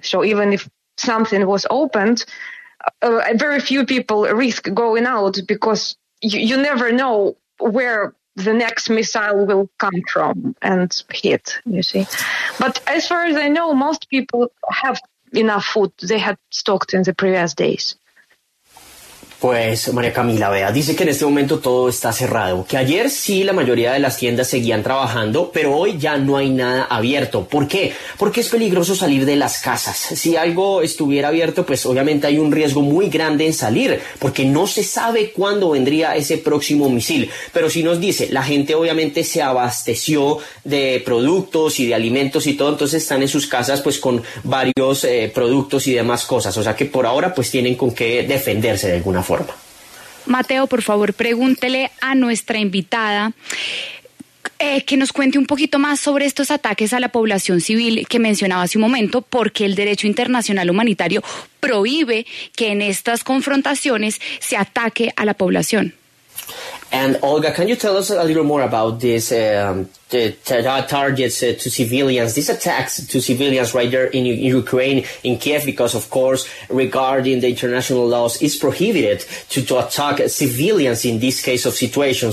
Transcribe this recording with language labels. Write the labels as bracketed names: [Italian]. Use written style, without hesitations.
[English] So even if something was opened, very few people risk going out, because you never know where the next missile will come from and hit, you see. But as far as I know, most people have enough food they had stocked in the previous days. [Spanish] Pues María Camila, vea, dice que en este momento todo está cerrado, que ayer sí la mayoría de las tiendas seguían trabajando, pero hoy ya no hay nada abierto. ¿Por qué? Porque es peligroso salir de las casas. Si algo estuviera abierto, pues obviamente hay un riesgo muy grande en salir, porque no se sabe cuándo vendría ese próximo misil. Pero sí nos dice, la gente obviamente se abasteció de productos y de alimentos y todo, entonces están en sus casas pues con varios productos y demás cosas. O sea que por ahora pues tienen con qué defenderse de alguna forma. Mateo, por favor, pregúntele a nuestra invitada que nos cuente un poquito más sobre estos ataques a la población civil que mencionaba hace un momento, porque el derecho internacional humanitario prohíbe que en estas confrontaciones se ataque a la población. [English] And Olga, can you tell us a little more about this, targets to civilians, these attacks to civilians right there in Ukraine, in Kiev, because, of course, regarding the international laws, it's prohibited to attack civilians in this case of situation.